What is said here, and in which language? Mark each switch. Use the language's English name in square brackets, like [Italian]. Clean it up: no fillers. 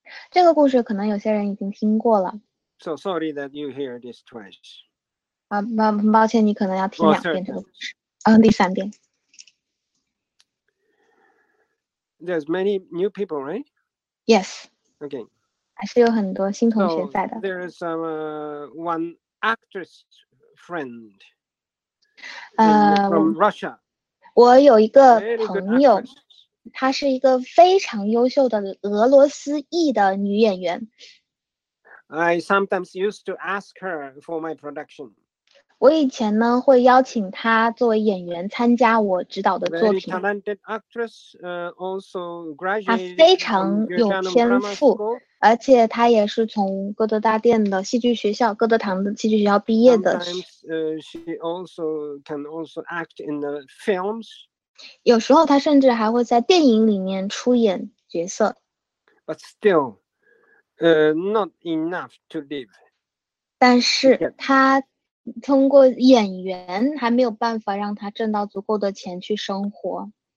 [Chinese] 这个故事可能有些人已经听过了。 [English] So sorry that you hear this twice. [Chinese] 很抱歉，你可能要听两遍这个故事。第三遍。 [English] There's many new people, right? Yes. Okay. [Chinese] 还是有很多新同学在的。 [English] So, there is one actress friend from Russia. [Chinese] 我有一个朋友，她是一个非常优秀的俄罗斯裔的女演员。 [English] I sometimes used to ask her for my production. [Chinese] 我以前呢会邀请她作为演员参加我指导的作品。 [English] Very talented actress, also graduated. [Chinese] 她非常有天赋，而且她也是从歌德大殿的戏剧学校，歌德堂的戏剧学校毕业的。 [English] Sometimes, she also can also act in the films. [Chinese] 有时候她甚至还会在电影里面出演角色。 [English] But still, not enough to live. [Chinese] 但是她通过演员还没有办法让他挣到足够的钱去生活。